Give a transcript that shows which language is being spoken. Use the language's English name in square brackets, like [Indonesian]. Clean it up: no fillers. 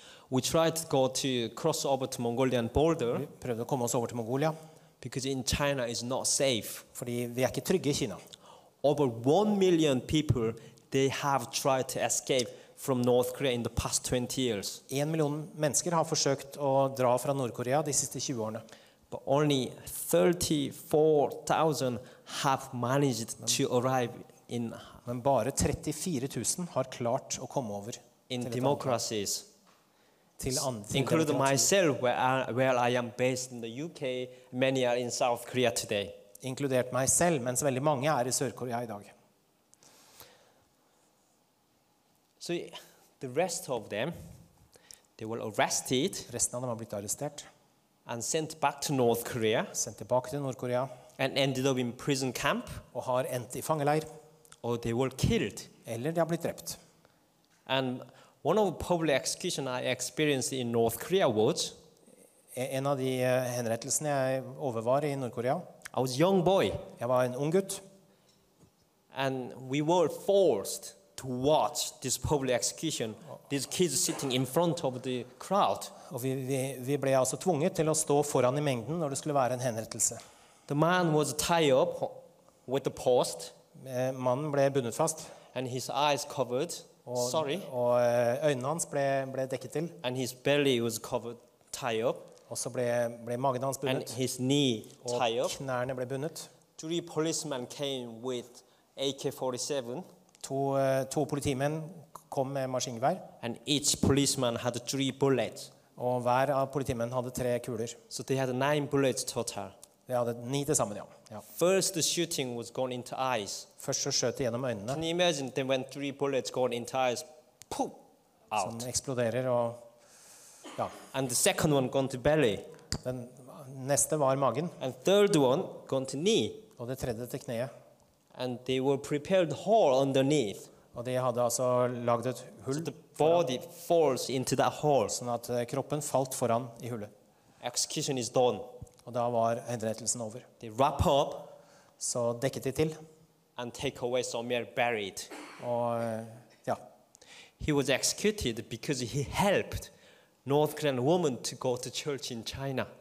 [English] We tried to go to cross over to Mongolian border. [Swedish] Vi prövade komma oss över till Mongolia. [English] Because in China is not safe. [Swedish] För vi är inte trygga I Kina. [English] Over 1 million people, they have tried to escape from North Korea in the past 20 years. [Swedish] 1 miljon människor har försökt att dra från Nordkorea de senaste 20 åren. [English] But only 34,000 have managed to arrive. In, [Swedish] men bara 34,000 har klart att komma över [English] in democracies [Swedish] till [English] include myself where I am based in the UK many are in South Korea today [Swedish] inkluderat mig själv men så väldigt många är I Sydkorea idag [English] so the rest of them they were arrested [Swedish] resten av dem har blivit arresterat [English] and sent back to North Korea [Swedish] sent tillbaka till Nordkorea [English] and ended up in prison camp [Swedish] och har ändt I fångeläger [English] Or they were killed. [Swedish] Eller de har blivit drept. [English] And one of the public execution I experienced in North Korea was. [Norwegian] En av de henrettelsene jeg overvar I Nordkorea. [English] I was a young boy. [Norwegian] Jeg var en ung gutt. [English] And we were forced. to watch this public execution. These kids sitting in front of the crowd. [Swedish] Vi blev alltså tvunget till att stå föran I mängden när det skulle vara en henrettelse. [English] The man was tied up with a post. [Swedish] Mannen blev bunden fast. [English] And his eyes covered. Sorry. [Swedish] Och ögonen hans blev täckt till. [English] And his belly was covered tied up. [Swedish] Och så blev magen hans bunden. [English] And his knee tied up. [Swedish] Knäna blev bundna. [English] Three policemen came with AK-47. [Swedish] Två politimän kom med maskingevär. [English] And each policeman had three bullets. [Swedish] Och var av politimännen hade tre kulor. [English] So they had 9 bullets total. [Swedish] De hade 9 tillsammans, ja. [English] First the shooting was gone into eyes. [Swedish] Först så sköt genom ögonen. [English] Can you imagine they went 3 bullets gone into eyes? Poof. [Swedish] Som exploderar och ja. [English] And the second one gone to belly. [Swedish] Den nästa var magen. [English] And third one gone to knee. [Swedish] Och det tredje till knäet. [English] And they were prepared hole underneath. [Swedish] Och de hade alltså lagt ett hull. [English] So the body falls into that hole. [Swedish] Så att kroppen fallt föran I hullet. [English] Execution is done. [Swedish] Och då var henrettelsen över. [English] They wrap up, [Swedish] så täckte till, [English] and take away some mere buried. [Swedish] Och ja, [English] he was executed because he helped North Korean woman to go to church in China.